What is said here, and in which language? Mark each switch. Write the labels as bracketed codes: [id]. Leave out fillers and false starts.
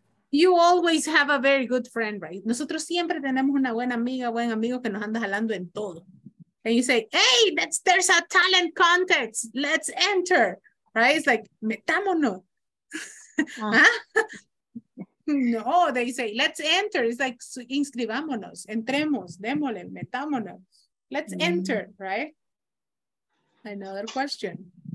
[en] You always have a very good friend, right? [es] Nosotros siempre tenemos una buena amiga, buen amigo que nos anda jalando en todo. [en] And you say, hey, there's a talent contest. Let's enter, right? It's like, metámonos. No, they say, let's enter. It's like, [es] inscribámonos, entremos, démosle, metámonos. [en] Let's enter, right? Another question.